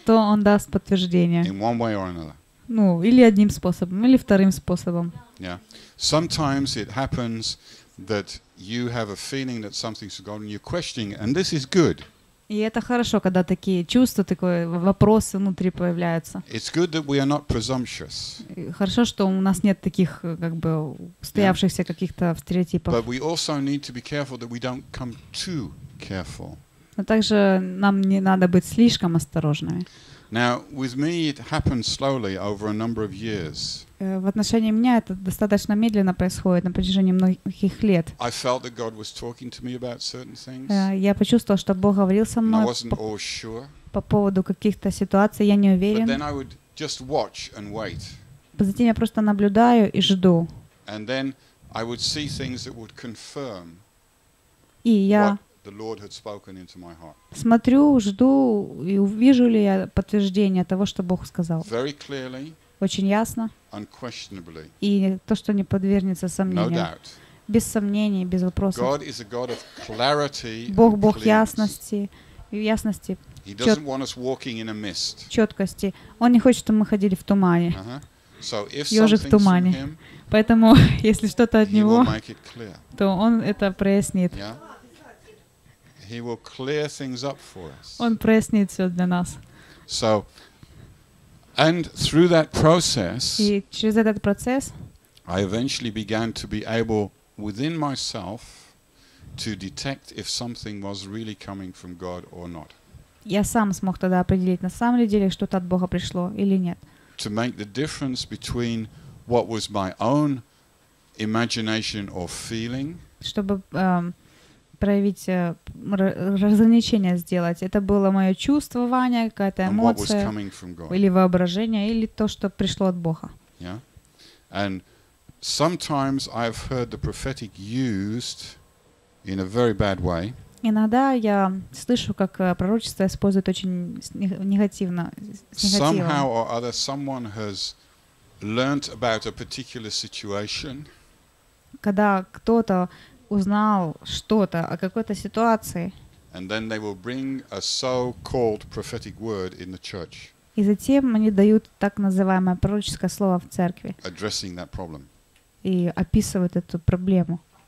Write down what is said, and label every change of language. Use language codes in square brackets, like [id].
[ru] Он то он даст подтверждение. [en] In one way or another. [ru] Ну, или одним способом, или вторым способом. [en] Yeah. Sometimes it happens that you have a feeling that something's from God and you're questioning, and this is good. [ru] И это хорошо, когда такие чувства, такие вопросы внутри появляются. [en] It's good that we are not presumptuous. [ru] Хорошо, что у нас нет таких как бы устоявшихся каких-то стереотипов. [en] But we also need to be careful that we don't come too careful. [ru] Но также нам не надо быть слишком осторожными. [en] Now, with me it happened slowly over a number of years. [ru] В отношении меня это достаточно медленно происходит на протяжении многих лет. [en] I felt that God was talking to me about certain things. [ru] Я почувствовал, что Бог говорил со мной. [en] I wasn't all sure. [ru] По поводу каких-то ситуаций я не уверен. [en] But then I would just watch and wait. [ru] Затем я просто наблюдаю и жду. [en] And then I would see things that would confirm. [ru] И я [en] the Lord had spoken into my heart. [ru] Смотрю, жду и увижу ли я подтверждение того, что Бог сказал. [en] Very clearly. [ru] Очень ясно. [en] Unquestionably. [ru] И то, что не подвергнется сомнению. [en] No doubt. [ru] Без сомнений, без вопросов. [en] God is a God of clarity. [ru] Бог Бог ясности, ясности. [en] He doesn't want us walking in a mist. [ru] Четкости. Он не хочет, чтобы мы ходили в тумане. [en] So if [ru] ежик в тумане. Поэтому если что-то от него, то он это прояснит. [en] Yeah? He will clear things up for us. [ru] Он прояснит все для нас. [en] So, and through that process, [ru] и через этот процесс, [en] I eventually began to be able within myself to detect if something was really coming from God or not. [ru] Я сам смог тогда определить, на самом деле что-то от Бога пришло или нет. [en] To make the difference between what was my own imagination or feeling. [ru] Чтобы проявить разграничение сделать. Это было мое чувствование, какая-то эмоция или воображение, или то, что пришло от Бога. [en] Yeah. And sometimes I've heard the prophetic used in a very bad way. [ru] Иногда я слышу, как пророчество используют очень негативно. [en] Somehow or other, someone has learned about a particular situation. [ru] Когда кто-то узнал что-то о какой-то ситуации. [en] And then they will bring a so-called prophetic word in the church. [ru] И затем они дают так называемое пророческое слово в церкви. [en] Addressing that problem. [ru] И описывают эту проблему.